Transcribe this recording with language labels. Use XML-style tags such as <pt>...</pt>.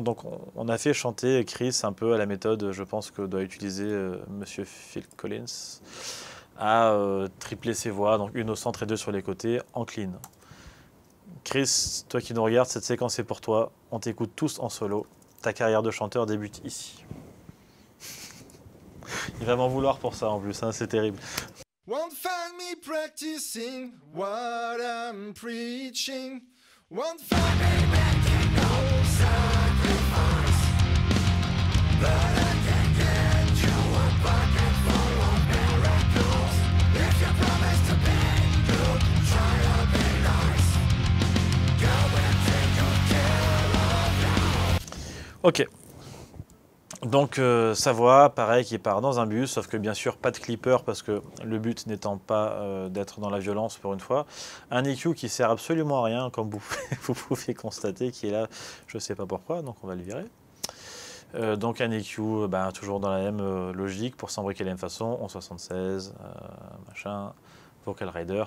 <fr>Donc on a fait chanter Chris un peu à la méthode, je pense, que doit utiliser Monsieur Phil Collins, à tripler ses voix, donc une au centre et deux sur les côtés, en clean. Chris, toi qui nous regardes, cette séquence est pour toi. On t'écoute tous en solo. Ta carrière de chanteur débute ici. Il va m'en vouloir pour ça en plus, hein, c'est terrible.</fr> <en>Won't find me practicing what I'm preaching. Won't find me making no sacrifice. But I can get you a bucket full of miracles. If you promise to be good, try to be nice. Go and take your care of you. Okay.</en> <fr>Donc Savoie, pareil, qui part dans un bus, sauf que bien sûr pas de clipper parce que le but n'étant pas d'être dans la violence pour une fois. Un EQ qui sert absolument à rien, comme vous pouvez constater, qui est là, je sais pas pourquoi, donc on va le virer. Donc un EQ, ben, toujours dans la même logique, pour s'imbriquer de la même façon, 1176, machin, Vocal Rider.</fr>